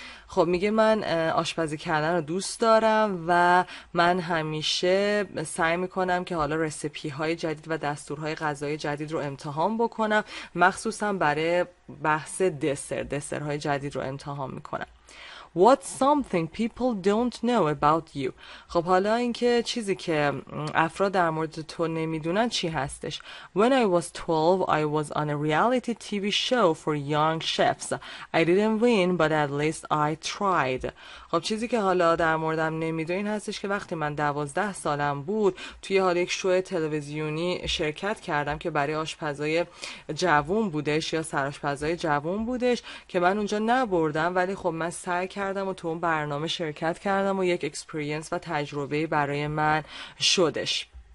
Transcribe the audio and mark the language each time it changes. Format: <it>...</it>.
<fa>خب میگه من آشپزی کردن رو دوست دارم و من همیشه سعی میکنم که حالا رسیپی های جدید و دستورهای غذای جدید رو امتحان بکنم، مخصوصا برای بحث دسر، دسرهای جدید رو امتحان میکنم.</fa> <en>What something people don't know about you.</en> <fa>خب حالا اینکه چیزی که افراد در مورد تو نمیدونن چی هستش.</fa> <en>When I was 12, I was on a reality TV show for young chefs. I didn't win, but at least I tried.</en> <fa>خب چیزی که حالا در موردم نمیدونین هستش که وقتی من 12 سالم بود توی حالا یک شو تلویزیونی شرکت کردم که برای آشپزای جوون بودش یا سرآشپزای جوون بودش که من اونجا نبردم ولی خب من سعی کردم و تو اون برنامه شرکت کردم و یک اکسپریانس و تجربه برای من شدش.</fa>